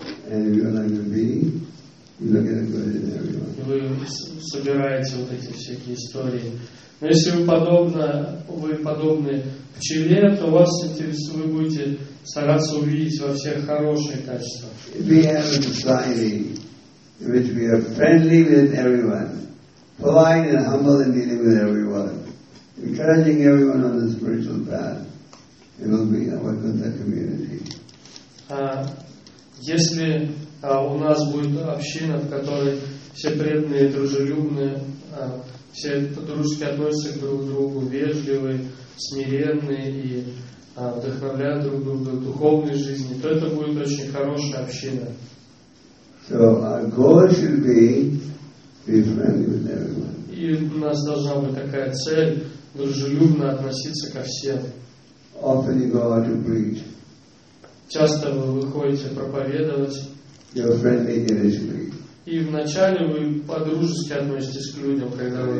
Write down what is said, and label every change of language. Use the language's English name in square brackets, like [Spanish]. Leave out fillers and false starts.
[Russian] И вы собираете вот эти всякие истории. Но если вы подобны пчеле, то вас интересует, вы будете стараться увидеть во всех хорошие качества. [English] We have a society in which we are friendly with everyone, polite and humble in dealing with everyone, encouraging everyone on the spiritual path, it will be a welcome that community. [Russian] Если у нас будет община, в которой все преданные, дружелюбные, все дружески относятся друг к другу, вежливые, смиренные и вдохновляют друг друга в духовной жизни, то это будет очень хорошая община. [English] So our goal should be friendly with everyone. [Russian] И у нас должна быть такая цель — дружелюбно относиться ко всем. [English] Often you go out to preach. [Russian] Часто вы выходите проповедовать. [English] You're friendly initially. [Russian] И вначале вы по-дружески относитесь к людям, когда вы